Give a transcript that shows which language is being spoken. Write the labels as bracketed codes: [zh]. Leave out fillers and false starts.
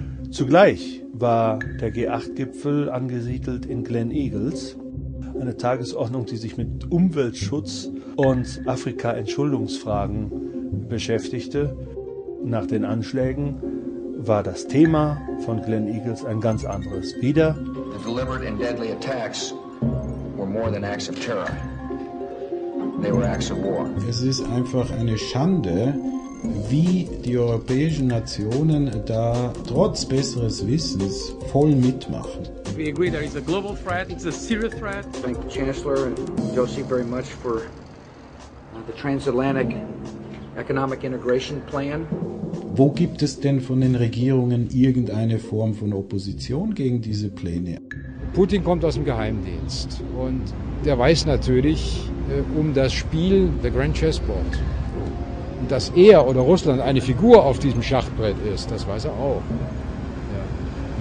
[de] Zugleich war der G8-Gipfel angesiedelt in Glen Eagles, eine Tagesordnung, die sich mit Umweltschutz und Afrika-Entschuldungsfragen beschäftigte. Nach den Anschlägen war das Thema von Glen Eagles ein ganz anderes. Wieder. [en] The deliberate and deadly attacks were more than acts of terror. They were acts of war. [de] Es ist einfach eine Schande, wie die europäischen Nationen da trotz besseres Wissens voll mitmachen. [en] We agree there is a global threat, it's a serious threat. Thank the Chancellor and Josie very much for the transatlantic economic integration plan. [de] Wo gibt es denn von den Regierungen irgendeine Form von Opposition gegen diese Pläne? Putin kommt aus dem Geheimdienst und der weiß natürlich um das Spiel [en] The Grand Chessboard. [de] Und dass er oder Russland eine Figur auf diesem Schachbrett ist, das weiß er auch. Ja.